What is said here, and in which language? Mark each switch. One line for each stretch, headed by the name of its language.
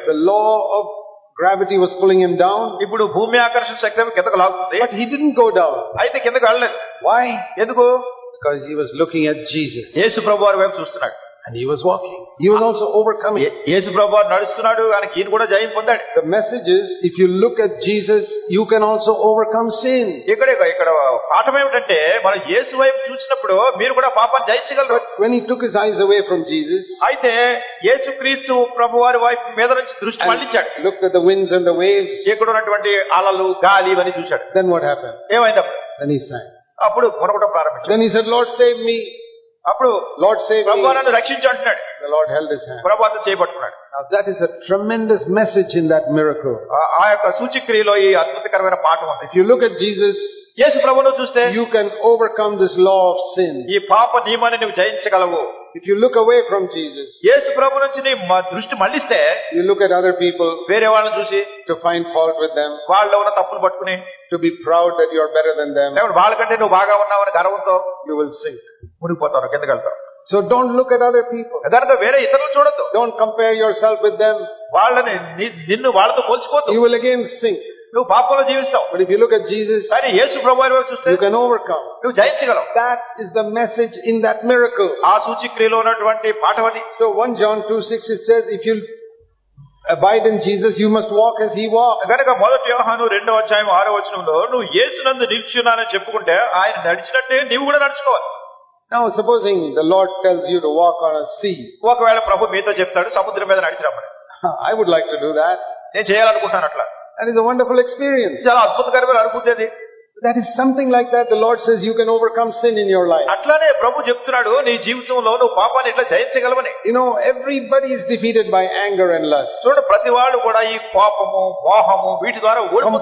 English: The law of gravity was pulling him down.
Telugu: ఇప్పుడు భూమి ఆకర్షణ శక్తి కిందకు లాగుతుంది.
English: But he didn't go down.
Telugu: అయితే కిందకు వెళ్ళలేదు.
English: Why?
Telugu: ఎందుకు?
English: Because he was looking at Jesus.
Telugu: యేసు ప్రభువారి వైపు చూస్తున్నాడు.
English: And he was walking. He was also overcoming.
Telugu: యేసు ప్రభువు నడుస్తున్నాడు అని కీన్ కూడా జయం పొందాడు.
English: The message is, if you look at Jesus, you can also overcome sin.
Telugu: ఇక్కడ పాఠం ఏమిటంటే, మనం యేసు వైపు చూసినప్పుడు మీరు కూడా పాపం జయించగలరు.
English: When he took his eyes away from Jesus,
Telugu: అయితే యేసు క్రీస్తు ప్రభువారి వైపు మీద నుంచి దృష్టి మళ్ళించాడు.
English: Looked at the winds and the waves.
Telugu: ఇక్కడ ఉన్నటువంటి అలలు గాలి అని చూశాడు.
English: Then what happened?
Telugu: ఏమైందప్పు?
English: Then he sang.
Telugu: అప్పుడు కొనకొట ప్రారంభించాడు.
English: Then he said, Lord, save me.
Telugu: అప్పుడు
English: lord save
Telugu: ప్రభువా నన్ను రక్షించు అంటున్నాడు.
English: The Lord held his hand.
Telugu: ప్రభువా అతను చేయబట్టుకున్నాడు.
English: Now that is a tremendous message in that miracle.
Telugu: ఆ యొక్క సూచక్రియలో ఈ అద్భుతకరమైన పాఠం ఉంది.
English: If you look at Jesus,
Telugu: యేసు ప్రభువును చూస్తే
English: you can overcome this law of sin.
Telugu: ఈ పాప నియమాన్ని నువ్వు జయించగలవు.
English: If you look away from Jesus,
Telugu: యేసు ప్రభువు నుంచి నీ దృష్టి మళ్ళిస్తే
English: you look at other people,
Telugu: వేరే వాళ్ళని చూసి
English: to find fault with them,
Telugu: వాళ్ళలో ఉన్న తప్పులు పట్టుకుని
English: to be proud that you are better than them,
Telugu: లేదంటే వాళ్ళకంటే నువ్వు బాగా ఉన్నావని గర్వంతో
English: you will sink.
Telugu: మునిగిపోతారు, కిందకి వెళ్తారు.
English: So don't look at other people.
Telugu: Other వేరే ఇతరులను చూడొద్దు.
English: Don't compare yourself with them.
Telugu: వాళ్ళని నిన్ను వాళ్ళతో పోల్చుకోవద్దు.
English: You will again sink.
Telugu: నువ్వు పాపంలో జీవిస్తావు.
English: But if you look at Jesus,
Telugu: సరే యేసు ప్రభువారి వైపు చూస్తే
English: you can overcome.
Telugu: నువ్వు జయించగలవు.
English: That is the message in that miracle.
Telugu: ఆ సూచక్రియలో ఉన్నటువంటి పాఠం అది.
English: So 1 John 2:6 it says if you abide in Jesus, you must walk as he walked.
Telugu: గనక మొదటి యోహాను 2:6 నువ్వు యేసునందు నిలుచున్నానని చెప్పుకుంటే ఆయన నడిచినట్టే నీవు కూడా నడుచుకోవాలి.
English: Now supposing the Lord tells you to walk on a sea.
Telugu: ఒక వేళ ప్రభు మీతో చెప్తాడు సముద్రం మీద నడిచిరమ్మని.
English: I would like to do that.
Telugu: నేను చేయాలనుకుంటాను అట్లా.
English: And it's a wonderful experience.
Telugu: చాలా అద్భుతకరమైన అనుభూతి అది.
English: That is something like that. The Lord says you can overcome sin in your life.
Telugu: అట్లానే ప్రభు చెప్తున్నాడు నీ జీవితంలో నువ్వు పాపాన్ని ఇట్లా జయించగలవని.
English: You know, everybody is defeated by anger and lust.
Telugu: చూడు ప్రతి వాళ్ళు కూడా ఈ పాపము మోహము వీటి ద్వారా ఓడిపోతారు.